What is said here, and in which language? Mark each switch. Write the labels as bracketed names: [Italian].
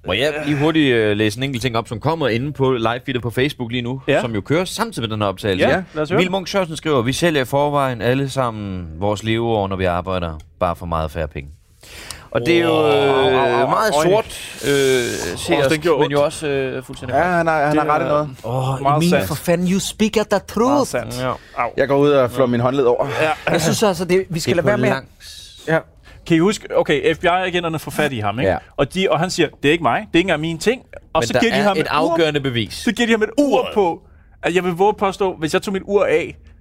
[Danish] Må jeg lige hurtigt læse en enkelt ting op, som kommer inde på live-feedet på Facebook lige nu, som jo kører samtidig med den her optagelse. Ja, lad os høre. Mille Munch-Sørensen skriver, vi sælger i forvejen alle sammen vores leveår, når vi arbejder, bare for meget færre penge. Og det er jo meget sort, men jo også fuldstændig. Ja, han har ret i noget. [English] Emil, [Danish] for fanden, [English] you speak at the truth. [Danish] Meget sandt, ja. Jeg går ud og flår min håndled over. Ja. Jeg synes altså, vi skal lade være med. Ja. Kan I huske, okay, FBI-agenterne får fat i ham, ikke? Ja. Og han siger, det er ikke mig, det er ikke engang mine ting. Og men så giver de ham et afgørende bevis. Så giver de ham et ur på, at jeg vil våge påstå, hvis jeg tog mit ur af...